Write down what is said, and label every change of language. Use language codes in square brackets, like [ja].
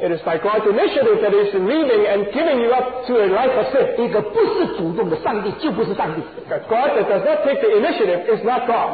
[en] It is by God's initiative that He's leaving and giving you up to a life of sin. [zh] 一个不是主动的上帝就不是上帝。 [en] God that does not take the initiative is not God.